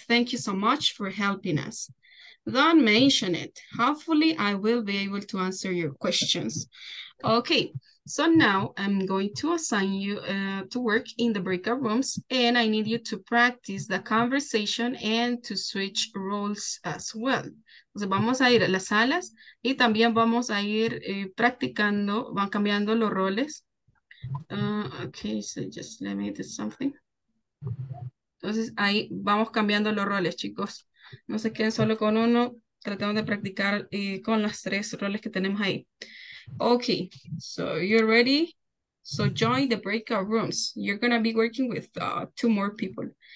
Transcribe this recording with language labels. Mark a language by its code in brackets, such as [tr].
[en] Thank you so much for helping us. Don't mention it. Hopefully, I will be able to answer your questions. Okay, so now I'm going to assign you to work in the breakout rooms, and I need you to practice the conversation and to switch roles as well. [es] Entonces vamos a ir a las salas y también vamos a ir practicando, van cambiando los roles. [en] Okay, so just let me do something. [es] Entonces ahí vamos cambiando los roles, chicos. No se queden solo con uno, tratemos de practicar con las tres roles que tenemos ahí. [en] Okay, so you're ready? So join the breakout rooms. You're going to be working with two more people.